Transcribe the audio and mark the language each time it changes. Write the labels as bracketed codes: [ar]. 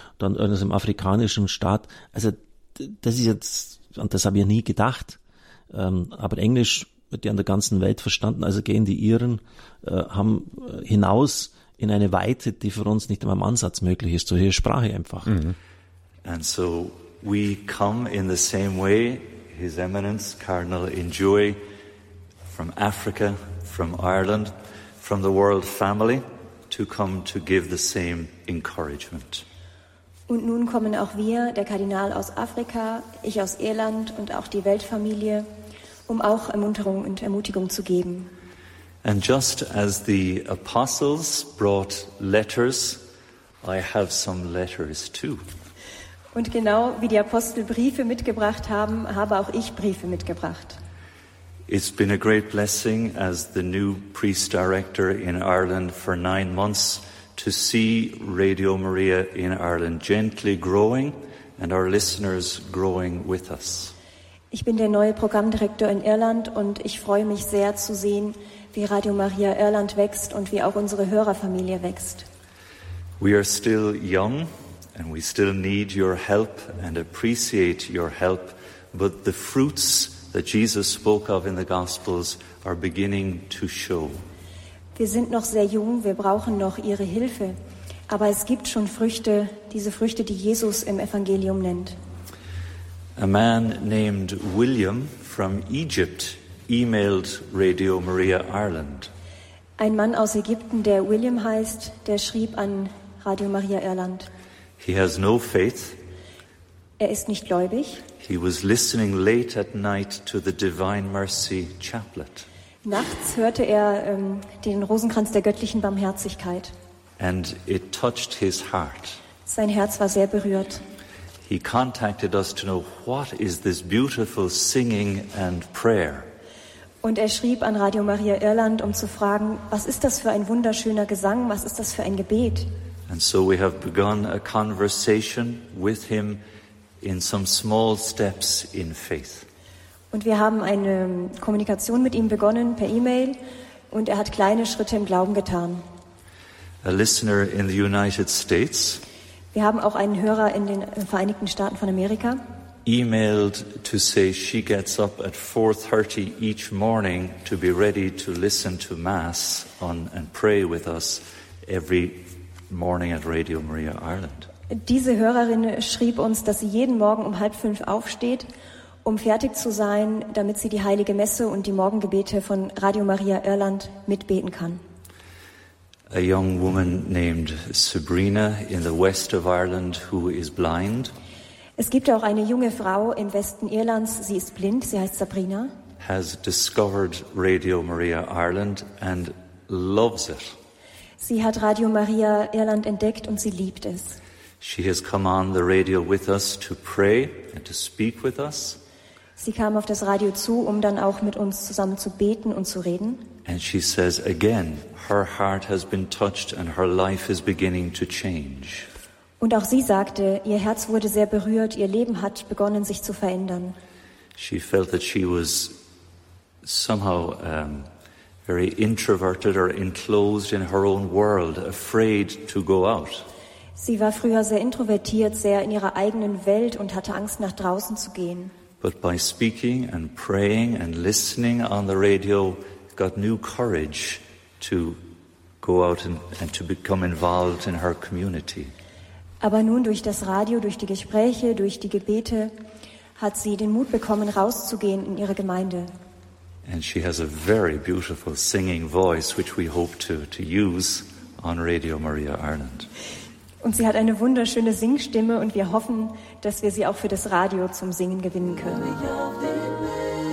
[de] Dann aus dem afrikanischen Staat. Also das ist jetzt, und das habe ich nie gedacht. Aber Englisch wird ja in der ganzen Welt verstanden. Also gehen die Iren, haben hinaus in eine Weite, die für uns nicht immer im Ansatz möglich ist. Durch die Sprache einfach. Mhm. [en] And so we come in the same way His Eminence, Cardinal Injue, from Africa, from Ireland, from the world family, to come to give the same encouragement. [de] Und nun kommen auch wir, der Kardinal aus Afrika, ich aus Irland und auch die Weltfamilie, um auch Ermunterung und Ermutigung zu geben. [en] And just as the apostles brought letters, I have some letters too. [de] Und genau wie die Apostel Briefe mitgebracht haben, habe auch ich Briefe mitgebracht. [en] It's been a great blessing as the new priest director in Ireland for 9 months to see Radio Maria in Ireland gently growing and our listeners growing with us. [de] Ich bin der neue Programmdirektor in Irland und ich freue mich sehr zu sehen, wie Radio Maria Irland wächst und wie auch unsere Hörerfamilie wächst. [en] We are still young and we still need your help and appreciate your help, but the fruits that Jesus spoke of in the Gospels are beginning to show. [de] Wir sind noch sehr jung, wir brauchen noch Ihre Hilfe, aber es gibt schon Früchte, diese Früchte, die Jesus im Evangelium nennt. [en] A man named William from Egypt emailed Radio Maria Ireland. [de] Ein Mann aus Ägypten, der William heißt, der schrieb an Radio Maria Irland. [en] He has no faith. [de] Er ist nicht gläubig. [en] He was listening late at night to the Divine Mercy chaplet. [de] Nachts hörte er den Rosenkranz der göttlichen Barmherzigkeit. [en] And it touched his heart. [de] Sein Herz war sehr berührt. [en] He contacted us to know what is this beautiful singing and prayer. [de] Und er schrieb an Radio Maria Irland, um zu fragen, was ist das für ein wunderschöner Gesang, was ist das für ein Gebet? [en] And so we have begun a conversation with him in some small steps in faith. [de] Und wir haben eine Kommunikation mit ihm begonnen per E-Mail und er hat kleine Schritte im Glauben getan. [en] A listener in the United States. [de] Wir haben auch einen Hörer in den Vereinigten Staaten von Amerika. [en] Emailed to say she gets up at 4:30 each morning to be ready to listen to Mass on and pray with us every morning at Radio Maria Ireland. [de] Diese Hörerin schrieb uns, dass sie jeden Morgen um 4:30 aufsteht, um fertig zu sein, damit sie die Heilige Messe und die Morgengebete von Radio Maria Irland mitbeten kann. [en] A young woman named Sabrina in the west of Ireland who is blind. [de] Es gibt auch eine junge Frau im Westen Irlands, sie ist blind, sie heißt Sabrina. [en] Has discovered Radio Maria Ireland and loves it. [de] Sie hat Radio Maria Irland entdeckt und sie liebt es. [en] She has come on the radio with us to pray and to speak with us. [de] Sie kam auf das Radio zu, um dann auch mit uns zusammen zu beten und zu reden. [en] And she says again, her heart has been touched and her life is beginning to change. [de] Und auch sie sagte, ihr Herz wurde sehr berührt, ihr Leben hat begonnen, sich zu verändern. [en] She felt that she was somehow very introverted or enclosed in her own world, afraid to go out. [de] Sie war früher sehr introvertiert, sehr in ihrer eigenen Welt und hatte Angst, nach draußen zu gehen. [en] But by speaking and praying and listening on the radio, got new courage to go out and to become involved in her community. [de] Aber nun durch das Radio, durch die Gespräche, durch die Gebete, hat sie den Mut bekommen, rauszugehen in ihre Gemeinde. [en] And she has a very beautiful singing voice, which we hope to use on Radio Maria Ireland. [de] Und sie hat eine wunderschöne Singstimme und wir hoffen, dass wir sie auch für das Radio zum Singen gewinnen können. Maria,